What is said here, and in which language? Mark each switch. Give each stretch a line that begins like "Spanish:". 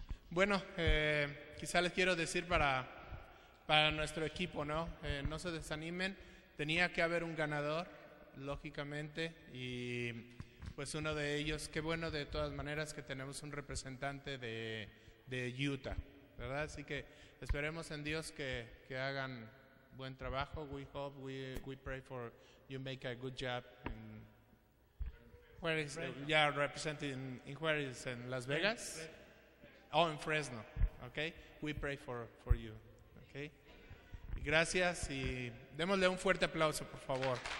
Spanish: Bueno, quizá les quiero decir para nuestro equipo, ¿no? No se desanimen. Tenía que haber un ganador, lógicamente, y pues uno de ellos. Qué bueno, de todas maneras, que tenemos un representante de Utah, ¿verdad? Así que esperemos en Dios que hagan buen trabajo.
English: We hope, we pray for you make a good job. Where is yeah, representing in where is in Las Vegas? Oh, en Fresno, okay. We pray for you, okay.
Spanish: Y gracias y démosle un fuerte aplauso, por favor.